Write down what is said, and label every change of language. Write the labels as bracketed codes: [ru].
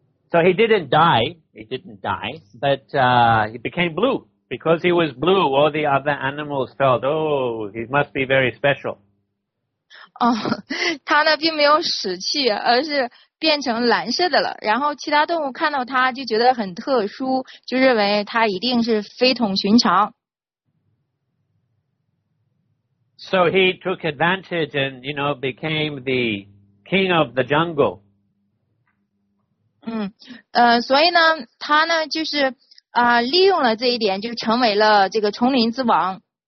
[en] So he didn't die, but he became blue. Because he was blue, all the other animals felt, oh, he must be very special. [zh] 他呢并没有死去，而是变成蓝色的了。然后其他动物看到他就觉得很特殊，就认为他一定是非同寻常。 [en] So he took advantage and, you know, became the king of the jungle. [zh] 所以呢，他呢就是利用了这一点就成为了这个丛林之王。